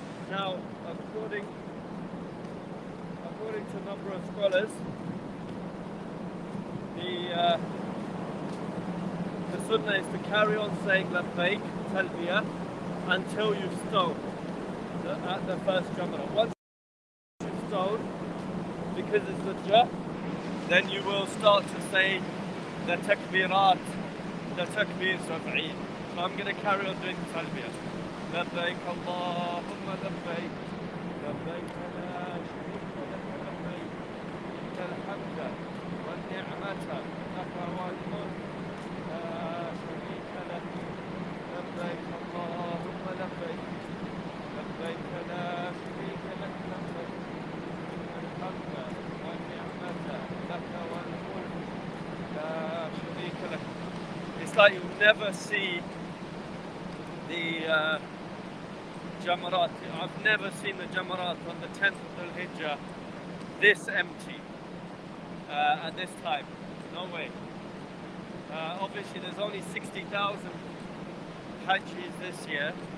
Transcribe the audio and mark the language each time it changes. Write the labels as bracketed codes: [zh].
[en] Now, according to a number of scholars, the sunnah is to carry on saying labbaik, talbiyah, until you've stoned at the first jamarat. Once you've stoned, because it's sujjah, then you will start to say the takbirat, the takbir sab'een. So I'm going to carry on doing talbiyah. [ar] لبيك اللهم لبيك لبيك لا شريك لك لبيك الحمد والنعمة لك والملك لا شريك لك لبيك اللهم لبيك لبيك لا شريك لك لبيك الحمد والنعمة لك والملك لا شريك لك. [en] It's like you never see the Jamarat. I've never seen the Jamarat on the 10th of Dhul Hijjah this empty at this time. No way. Obviously, there's only 60,000 Hajjis this year.